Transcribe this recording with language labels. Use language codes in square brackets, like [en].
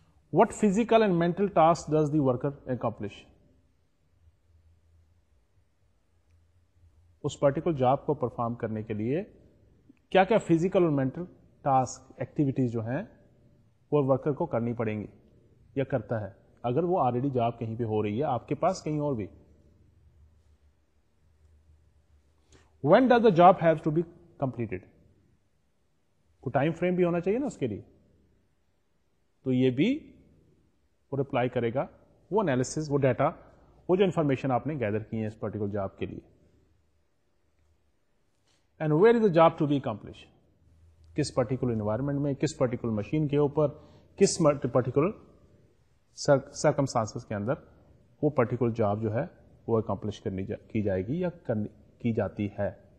[en] What physical and mental tasks does the worker accomplish? [ur] اس particular job کو perform کرنے کے لیے کیا کیا physical اور mental task activities جو ہیں ورکر کو کرنی پڑیں گی یا کرتا ہے اگر وہ آلریڈی جاب کہیں پہ ہو رہی ہے آپ کے پاس کہیں اور بھی. [en] When does the job have to be completed? [ur] کو ٹائم فریم بھی ہونا چاہیے نا اس کے لیے, تو یہ بھی وہ ریپلائی کرے گا, وہ انالیسس, وہ ڈیٹا, وہ جو انفارمیشن آپ نے گیدر کی ہے اس پرٹیکولر جاب کے لیے. [en] and where is the job to be accomplish, [ur] کس پرٹیکولر انوائرمنٹ میں, کس پرٹیکولر مشین کے اوپر, کس پرٹیکولر سرکمسٹانسز کے اندر وہ پرٹیکولر جاب جو ہے وہ اکمپلش کرنی کی جائے گی یا کی جاتی ہے.